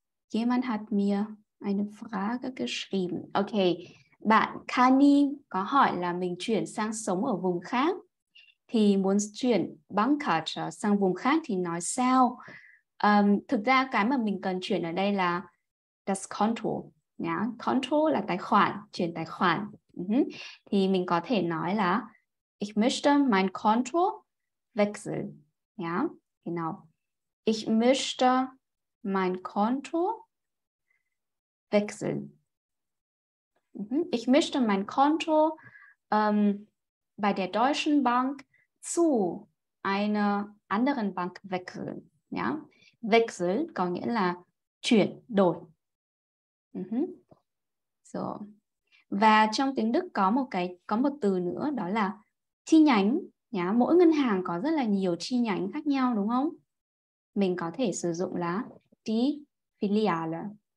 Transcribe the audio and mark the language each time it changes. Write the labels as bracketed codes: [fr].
[de] Jemand hat mir eine Frage geschrieben. Okay. [vi] Bạn Kani có hỏi là mình chuyển sang sống ở vùng khác thì muốn chuyển Bangkok sang vùng khác thì nói sao? Thực ra cái mà mình cần chuyển ở đây là das Konto. Yeah. Konto là tài khoản, chuyển tài khoản. Thì mình có thể nói là [de] ich möchte mein Konto wechseln. [vi] Yeah. [de] Genau. Ich möchte mein Konto wechseln. Ich möchte mein Konto bei der Deutschen Bank zu einer anderen Bank wechseln. Yeah. [vi] Wechsel có nghĩa là chuyển, đổi. So. Và trong tiếng Đức có một từ nữa đó là chi nhánh nhá. Mỗi ngân hàng có rất là nhiều chi nhánh khác nhau đúng không? Mình có thể sử dụng là die Filiale.